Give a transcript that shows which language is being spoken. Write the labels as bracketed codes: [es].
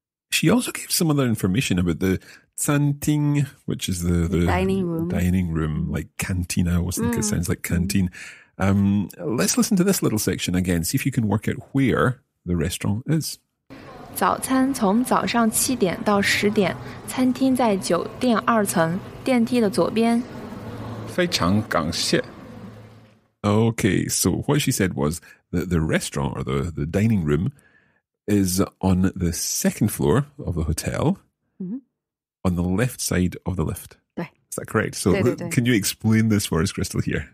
[en] She also gave some other information about the 餐厅, which is the dining room. Dining room, like cantina, I always think it sounds like canteen. Let's listen to this little section again, see if you can work out where the restaurant is. [zh] 早餐从早上7点到10点, 餐厅在酒店2层, 电梯的左边。非常感谢。 [en] Okay, so what she said was that the restaurant or the dining room is on the second floor of the hotel, mm-hmm. on the left side of the lift. [zh] 对, [en] is that correct? So can you explain this for us, Crystal, here?